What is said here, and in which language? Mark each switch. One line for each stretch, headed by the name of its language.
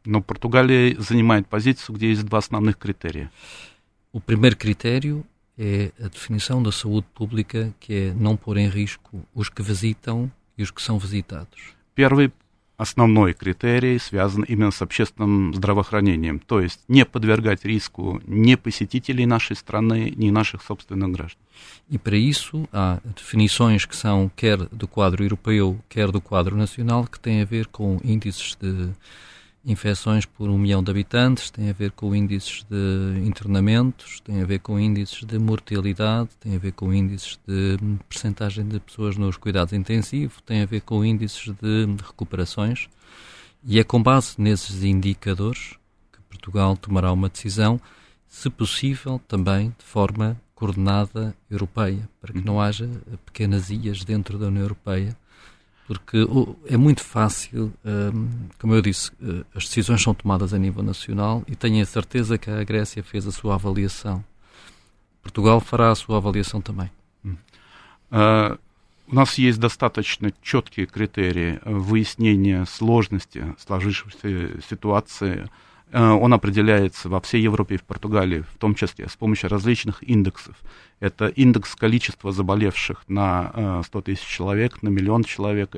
Russian: Но Portugal занимает позицию, где есть два основных критерия.
Portuguese: O primeiro critério é a definição da saúde pública, que é não pôr em risco os que visitam e os que são visitados.
Russian: Первый основной критерий связан именно с общественным здравоохранением, то есть не подвергать риску ни посетителей нашей страны, ни наших собственных граждан.
Portuguese: E para isso há definições que são quer do quadro europeu, quer do quadro nacional, que têm a ver com índices de infecções por 1 milhão de habitantes, tem a ver com índices de internamentos, tem a ver com índices de mortalidade, tem a ver com índices de percentagem de pessoas nos cuidados intensivos, tem a ver com índices de recuperações. E é com base nesses indicadores que Portugal tomará uma decisão, se possível também de forma coordenada europeia, para que não haja pequenas ilhas dentro da União Europeia Porque é muito fácil, como eu disse, as decisões são tomadas a nível nacional e tenho a certeza que a Grécia fez a sua avaliação. Portugal fará a sua avaliação também.
Russian: У нас есть достаточно четкие критерии выяснения сложности сложившейся ситуации. Он определяется во всей Европе и в Португалии, в том числе с помощью различных индексов. Это индекс количества заболевших на 100 тысяч человек, на миллион человек.